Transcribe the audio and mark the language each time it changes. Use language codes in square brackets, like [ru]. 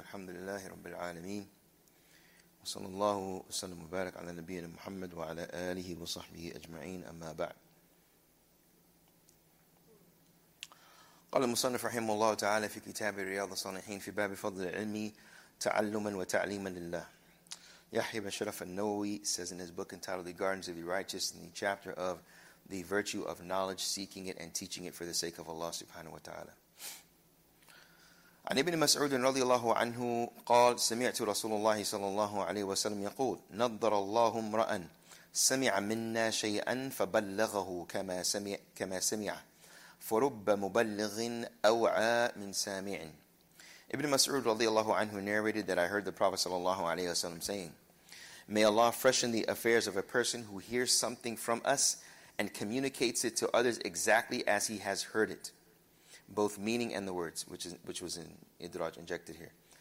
[ar] الحمد لله رب العالمين، وصلى الله وسلم وبارك على نبينا محمد وعلى آله وصحبه أجمعين، أما بعد. قال المصنف رحمه الله تعالى في كتاب رياض الصالحين في باب فضل العلم تعلما وتعليما لله. [en] يحيى بن شرف النووي says in his book entitled The Gardens of the Righteous in the chapter of the virtue of knowledge, seeking it and teaching it for the sake of Allah subhanahu wa ta'ala. [ar] عن ابن مسعود رضي الله عنه قال سمعت رسول الله صلى الله عليه وسلم يقول نظر الله امرأ سمع منا شيئا فبلغه كما سمع فرب مبلغ أوعى من سامع. [en] ابن مسعود رضي الله عنه narrated that I heard the Prophet صلى الله عليه وسلم saying, May Allah freshen the affairs of a person who hears something from us and communicates it to others exactly as he has heard it, both meaning and the words, which was in Idraj injected here.